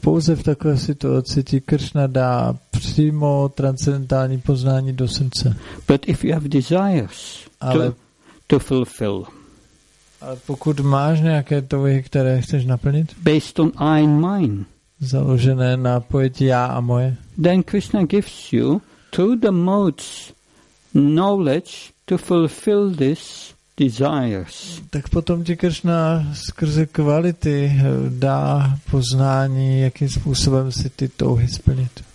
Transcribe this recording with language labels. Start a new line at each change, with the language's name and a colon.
Czech: Pouze v takové situaci ti Krishna dá přímo transcendentální poznání do srdce.
English: But if you have desires to fulfill.
Czech: Ale pokud máš nějaké touhy, které chceš naplnit?
English: Based on I and mine.
Czech: Založené na pojetí já a moje.
English: Then Krishna gives you through the modes knowledge to fulfill this desires.
Czech: Tak potom ti Krishna skrze kvality dá poznání, jakým způsobem si ty touhy splnit.